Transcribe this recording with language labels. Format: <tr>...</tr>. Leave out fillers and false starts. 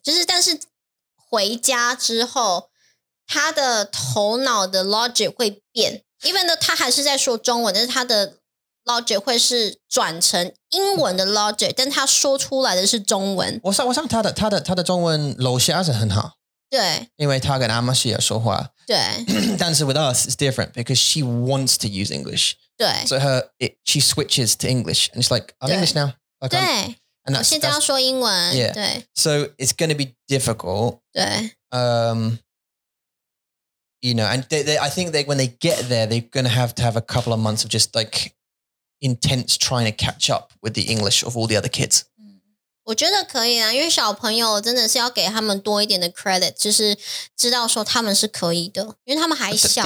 <zh>就是但是回家之后他的头脑的 logic 会变 ，</zh> <en>even though</en> <zh>他还是在说中文，但是他的 logic 会是转成英文的 logic， 但他说出来的是中文。我想他的中文楼下是很好，对，因为他跟阿玛西亚说话，对。但是</zh> <en>with us it's different because she wants to use English，</en> <zh>对。</zh> <en>So she switches to English and it's like I'm English now， like</en> <zh>对。</zh> <en>And</en> <zh>我现在要说英文，</zh> <en>yeah.</en> <zh>对。</zh> <en>So it's going to be difficult，</en> <zh>对。</zh> <en>You know, and I think that when they get there, they're going to have a couple of months of just like intense trying to catch up with the English of all the other kids.</en> <zh>我觉得可以啊，因为小朋友真的是要给他们多一点的 credit， 就是知道说他们是可以的，因为他们还小啊。</zh>